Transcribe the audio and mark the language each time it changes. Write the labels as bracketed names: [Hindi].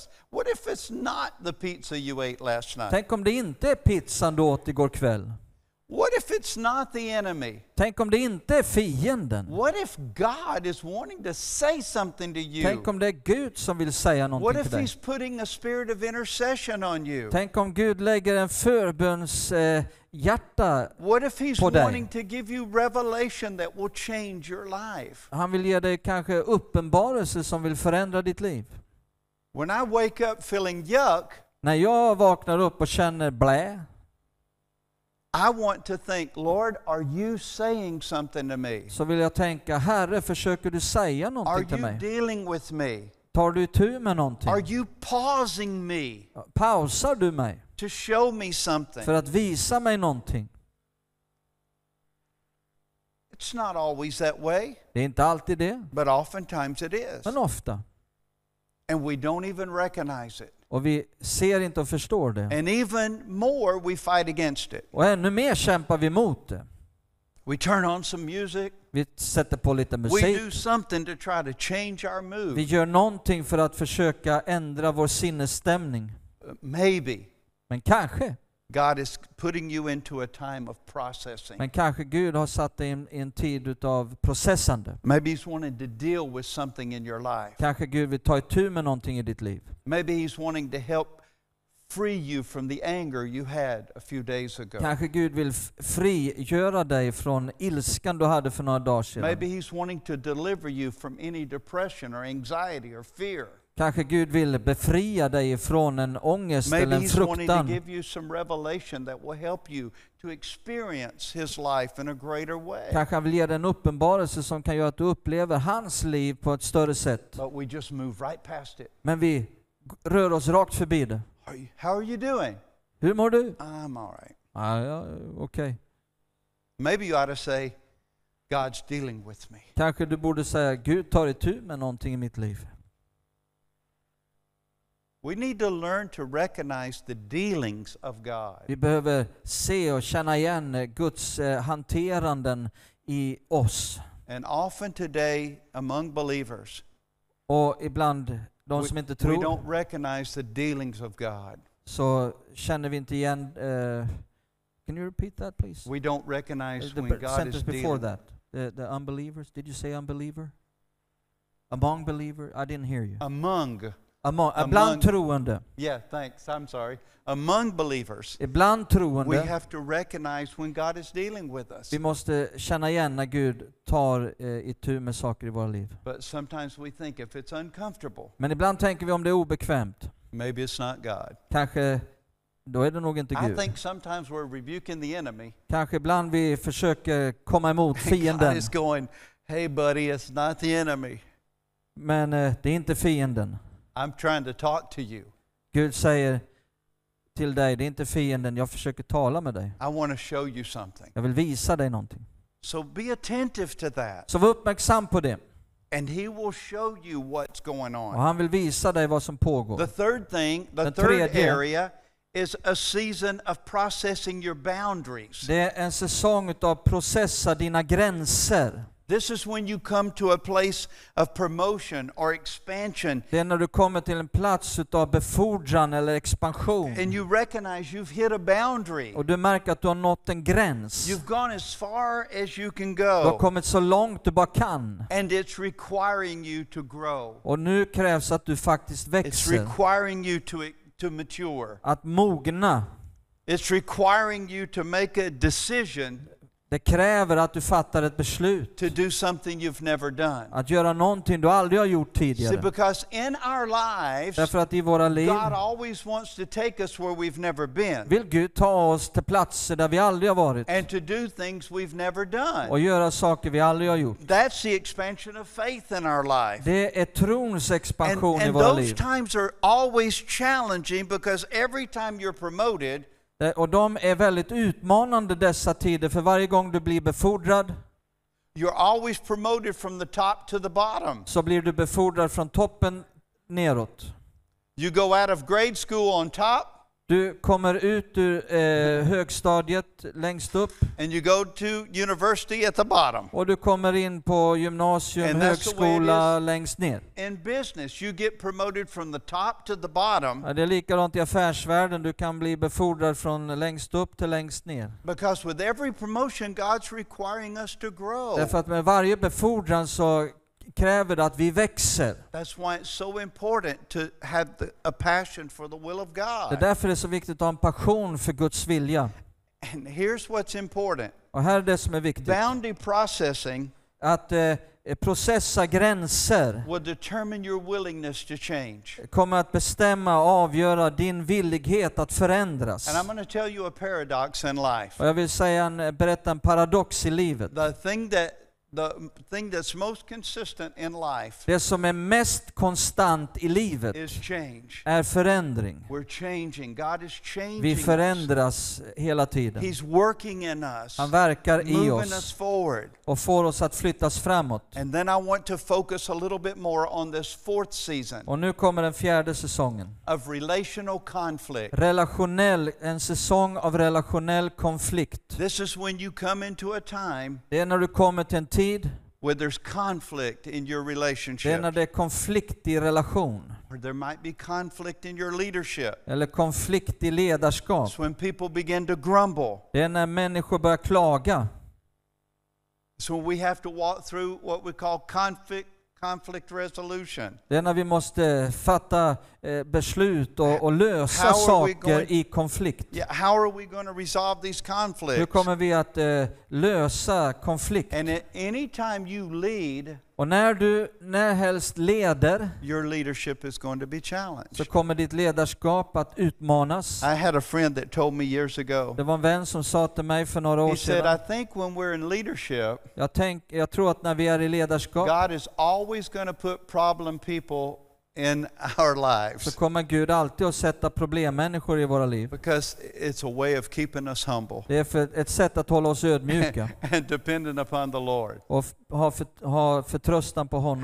[English] What if it's not the pizza you ate last night? [Swedish] Tänk om det inte är pizzan du åt igår kväll? [English] What if it's not the enemy? [Swedish] Tänk om det inte är fienden? [English] What if God is wanting to say something to you? [Swedish] Tänk om det är Gud som vill säga någonting till dig? [English] What if he's putting a spirit of intercession on you? [Swedish] Tänk om Gud lägger en förbönshjärta på dig? [English] What if he's wanting to give you revelation that will change your life? [Swedish] Han vill ge dig kanske uppenbarelse som vill förändra ditt liv. [English] When I wake up feeling yuck, [Swedish] när jag vaknar upp och känner blä, [English] I want to think, Lord, are you saying something to me? [Swedish] Så vill jag tänka, Herre, försöker du säga någonting till mig? [English] Are you dealing with me? [Swedish] Tar du itu med någonting? [English] Are you pausing me? [Swedish] Pausar du mig? [English] To show me something. [Swedish] För att visa mig någonting. [English] It's not always that way. [Swedish] Det är inte alltid det. [English] But oftentimes it is. [Swedish] Men ofta. [English] And we don't even recognize it. [Swedish] Och vi ser inte och förstår det. [English] And even more we fight against it. [Swedish] Och ännu mer kämpar vi mot det. [English] We turn on some music. [Swedish] Vi sätter på lite musik. [English] We do something to try to change our mood. [Swedish] Vi gör någonting för att försöka ändra vår sinnesstämning. [English] Maybe. [Swedish] Men kanske. [English] God is putting you into a time of processing. [Swedish] Men kanske Gud har satt dig i en tid utav processande. [English] Maybe he's wanting to deal with something in your life. [Swedish] Kanske Gud vill ta itu med någonting i ditt liv. [English] Maybe he's wanting to help free you from the anger you had a few days ago. [Swedish] Kanske Gud vill frigöra dig från ilskan du hade för några dagar sedan. [English] Maybe he's wanting to deliver you from any depression or anxiety or fear. [Swedish] Kanske Gud vill befria dig från en ångest [English] maybe [Swedish] eller en fruktan. [English] He's wanting to give you some revelation that will help you to experience his life in a greater way. [Swedish] Kanske han vill ge dig en uppenbarelse som kan göra att du upplever hans liv på ett större sätt. [English] But we just move right past it. [Swedish] Men vi rör oss rakt förbi det. [English] How are you doing? [Swedish] Hur mår du? [English] I'm all right. [Swedish] Okay. [English] Maybe you ought to say, God's dealing with me. [Swedish] Kanske du borde säga Gud tar itu med någonting i mitt liv. [English] We need to learn to recognize the dealings of God. [Swedish] Vi behöver se och känna igen Guds hanteranden i oss. [English] And often today among believers. [Swedish] Och ibland de som inte tror. [English] We don't recognize the dealings of God. [Swedish] Så känner vi inte igen [English] can you repeat that please? We don't recognize the when God is dealing. Before that. The unbelievers, did you say unbeliever? Among believer, I didn't hear you. Among [Swedish] troende. [English] Yeah, thanks. I'm sorry. Among believers. [Swedish] Ibland troende. [English] We have to recognize when God is dealing with us. [Swedish] Vi måste känna igen när Gud tar itu med saker i våra liv. [English] But sometimes we think if it's uncomfortable. [Swedish] Men ibland tänker vi om det är obekvämt. [English] Maybe it's not God. [Swedish] Kanske då är det nog inte Gud. [English] I think sometimes we're rebuking the enemy. [Swedish] Kanske ibland vi försöker komma emot fienden. [English] God is going, "Hey buddy, it's not the enemy." [Swedish] Men det är inte fienden. [English] I'm trying to talk to you. [Swedish] Gud säger till dig, det är inte fienden, jag försöker tala med dig. [English] I want to show you something. [Swedish] Jag vill visa dig någonting. [English] So be attentive to that. [Swedish] Så var uppmärksam på det. [English] And he will show you what's going on. [Swedish] Och han vill visa dig vad som pågår. [English] The third thing, the third area is a season of processing your boundaries. [Swedish] Det är en säsong utav processa dina gränser. [English] This is when you come to a place of promotion or expansion. [Swedish] Det är när du kommer till en plats utav befordran eller expansion. [English] And you recognize you've hit a boundary. [Swedish] Och du märker att du har nått en gräns. [English] You've gone as far as you can go. [Swedish] Du har kommit så långt du bara kan. [English] And it's requiring you to grow. [Swedish] Och nu krävs att du faktiskt växer. [English] It's requiring you to mature. [Swedish] Att mogna. [English] It's requiring you to make a decision. [Swedish] Det kräver att du fattar ett beslut. [English] To do something you've never done. [Swedish] Att göra någonting du aldrig har gjort tidigare. [English] See, because in our lives, [Swedish] därför att i våra liv, [English] God always wants to take us where we've never been. [Swedish] Vill Gud ta oss till platser där vi aldrig har varit. [English] And to do things we've never done. [Swedish] Och göra saker vi aldrig har gjort. [English] That's the expansion of faith in our life. [Swedish] Det är trons expansion [English] and [Swedish] i våra [English] those [Swedish] liv. [English] Those times are always challenging because every time you're promoted. [Swedish] Och de är väldigt utmanande dessa tider för varje gång du blir befordrad. [English] You're always promoted from the top to the bottom. [Swedish] Så blir du befordrad från toppen neråt. [English] You go out of grade school on top. [Swedish] Du kommer ut ur högstadiet längst upp. [English] And you go to university at the bottom. [Swedish] Och du kommer in på gymnasium [English] and [Swedish] högskola längst ner. [English] In business you get promoted from the top to the bottom. [Swedish] Det är likadant i affärsvärlden, du kan bli befordrad från längst upp till längst ner. [English] Because with every promotion God's requiring us to grow. [Swedish] Därför att med varje befordran så kräver att vi växer. [English] That's why it's so important to have a passion for the will of God. [Swedish] Det är därför det är så viktigt att ha en passion för Guds vilja. [English] And here's what's important. [Swedish] Och här är det som är viktigt. [English] Boundary processing. [Swedish] Att processa gränser. [English] Will determine your willingness to change. [Swedish] Kommer att bestämma och avgöra din villighet att förändras. [English] And I'm going to tell you a paradox in life. [Swedish] Och jag vill berätta en paradox i livet. [English] The thing that's most consistent in life. [Swedish] Det som är mest konstant i livet [English] is change. [Swedish] Är förändring. [English] We're changing. God is changing. [Swedish] Vi förändras hela tiden. [English] He's working in us. [Swedish] Han verkar i oss. [English] Moving us forward. [Swedish] Och får oss att flyttas framåt. [English] And then I want to focus a little bit more on this fourth season. [Swedish] Och nu kommer den fjärde säsongen. [English] Of relational conflict. [Swedish] Relationell, en säsong av relationell konflikt. [English] This is when you come into a time. [Swedish] Det är när du kommer till tid [English] where there's conflict in your relationship. [Swedish] Det är när det är konflikt i relation. [English] Or there might be conflict in your leadership. [Swedish] Eller konflikt i ledarskap. [English] It's when people begin to grumble. [Swedish] Det är när människor börjar klaga. [English] So we have to walk through what we call conflict resolution. [Swedish] Det är när vi måste fatta beslut och lösa saker i konflikt. [English] Yeah, how are we going to resolve these conflicts? [Swedish] Hur kommer vi att lösa konflikt? [English] And anytime you lead, [Swedish] och när du närhelst leder, [English] your leadership is going to be challenged. [Swedish] Så kommer ditt ledarskap att utmanas. [English] I had a friend that told me years ago. [Swedish] Det var en vän som sa till mig för några år sedan. [English] He said, "I think when we're in leadership, [Swedish] jag tror att när vi är i ledarskap, [English] God is always going to put problem people in our lives. [Swedish] Så kommer Gud alltid att sätta problemmänniskor i våra liv. [English] Because it's a way of keeping us humble. [Swedish] Det är för ett sätt att hålla oss ödmjuka. [English] And dependent upon the Lord. [Swedish] Och ha förtröstan på honom.